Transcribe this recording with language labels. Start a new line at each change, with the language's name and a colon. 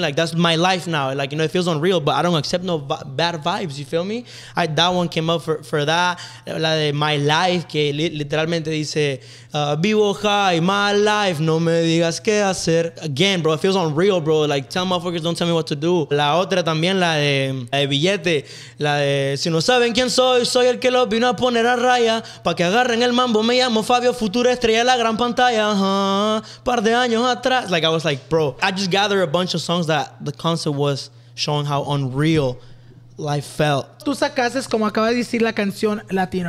English: Like, that's my life now. Like, you know, it feels unreal, but I don't accept no bad vibes. You feel me? That one came up for that.
Spanish: La de My Life, que literalmente dice, vivo high, my life, no me digas qué hacer.
English: Again, bro, it feels unreal, bro. Like, tell motherfuckers, don't tell me what to do.
Spanish: La otra también, la de billete. La de, si no saben quién soy, soy el que los vino a poner a raya. Pa' que agarren el mambo, me llamo Fabio, futura estrella de la gran pantalla. Par de años atrás.
English: Like, I was like, bro, I just gathered bunch of songs that the concert was showing how unreal life felt.
Spanish: Tú sacaste, como acaba de decir, la canción Latino.